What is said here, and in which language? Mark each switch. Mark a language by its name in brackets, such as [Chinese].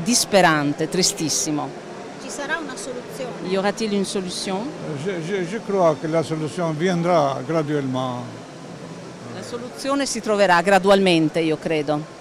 [Italian] Disperante, tristissimo. Ci sarà una soluzione? [French] Y aura-t-il une solution? Je crois que [Italian] la soluzione [French] viendra graduellement. [Italian] La soluzione si troverà gradualmente, io credo.